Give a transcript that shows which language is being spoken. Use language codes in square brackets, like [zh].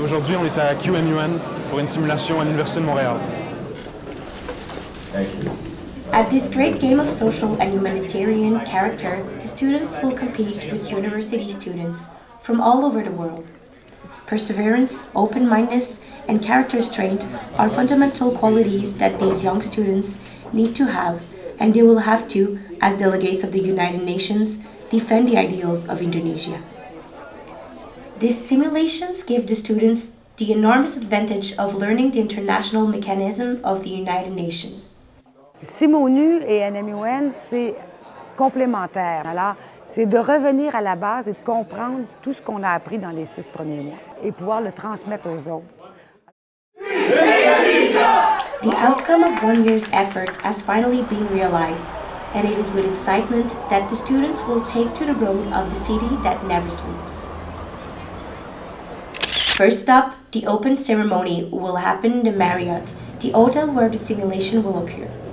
[fr] Aujourd'hui, on est à QMUN pour une simulation à l'Université de Montréal. [en] At this great game of social and humanitarian character, the students will compete with university students from all over the world. Perseverance, open-mindedness, and character strength are fundamental qualities that these young students need to have, and they will have to, as delegates of the United Nations, defend the ideals of Indonesia. These simulations give the students the enormous advantage of learning the international mechanism of the United Nations. [fr] SIMONU et NMUN, c'est complémentaire. Alors, c'est de revenir à la base et de comprendre tout ce qu'on a appris dans les six premiers mois et pouvoir le transmettre aux autres. [en] The outcome of 1 year's effort has finally been realized, and it is with excitement that the students will take to the road of the city that never sleeps. First up, the open ceremony will happen in the Marriott, the hotel where the simulation will occur.